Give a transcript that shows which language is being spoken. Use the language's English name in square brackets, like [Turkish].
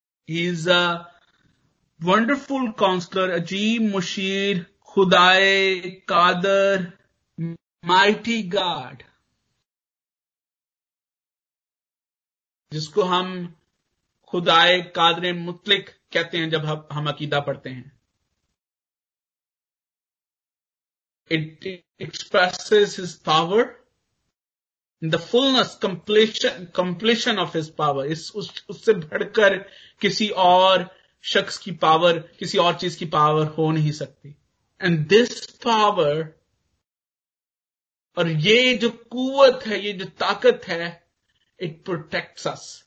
[English] he is a wonderful counsellor, [Urdu] عجیب مشیر, خدائے قادر, [English] mighty God, [Urdu] جس کو ہم خدائے قادر مطلق کہتے ہیں جب ہم عقیدہ پڑھتے ہیں. [English] It expresses his power in the fullness, completion of his power. [Urdu] اس سے بڑھ کر کسی اور شخص کی پاور, کسی اور چیز کی پاور ہو نہیں سکتی. [English] and this power, [Urdu] اور یہ جو قوت ہے, یہ جو طاقت ہے, [English] It protects us.